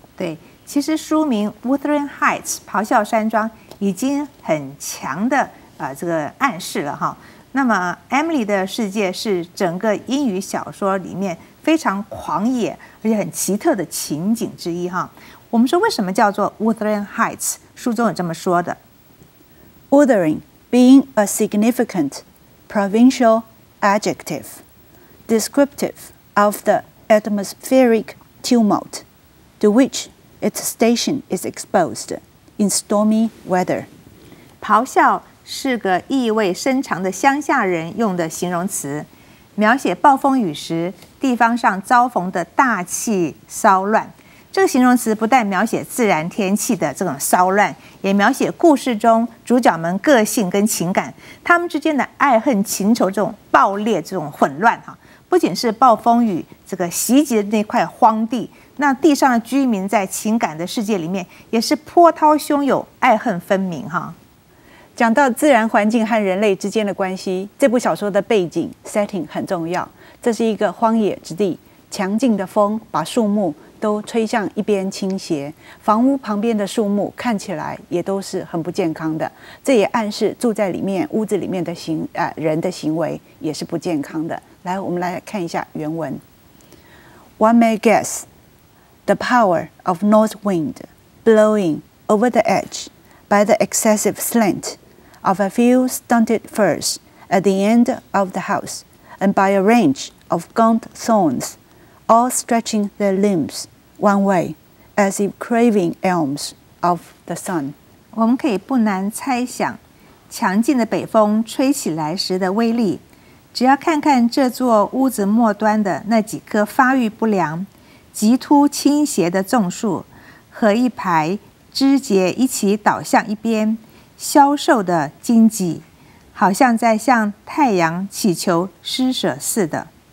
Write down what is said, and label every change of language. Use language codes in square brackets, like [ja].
[zh] 对，其实书名 Wuthering Heights 咆哮山庄已经很强的这个暗示了哈。那么 Emily 的世界是整个英语小说里面非常狂野而且很奇特的情景之一哈。我们说为什么叫做 Wuthering Heights， 书中有这么说的， [en] Wuthering being a significantprovincial adjective, descriptive of the atmospheric tumult to which its station is exposed in stormy weather. [zh] 咆哮是个意味深长的乡下人用的形容词，描写暴风雨时地方上遭逢的大气骚乱。这个形容词不但描写自然天气的这种骚乱，也描写故事中主角们个性跟情感，他们之间的爱恨情仇这种暴烈这种混乱。不仅是暴风雨这个袭击的那块荒地，那地上的居民在情感的世界里面也是波涛汹涌爱恨分明。讲到自然环境和人类之间的关系，这部小说的背景 setting 很重要。这是一个荒野之地，强劲的风把树木都吹向一边倾斜，房屋旁边的树木看起来也都是很不健康的，这也暗示住在里面屋子里面的人的行为也是不健康的。来，我们来看一下原文。 [en] One may guess the power of north wind blowing over the edge by the excessive slant of a few stunted firs at the end of the house and by a range of gaunt thornsall stretching their limbs one way, as if craving elms of the sun. [zh] 我们可以不难猜想，强劲的北风吹起来时的威力。只要看看这座屋子末端的那几棵发育不良、极突倾斜的纵树，和一排枝节一起倒向一边、消瘦的荆棘，好像在向太阳祈求施舍似的。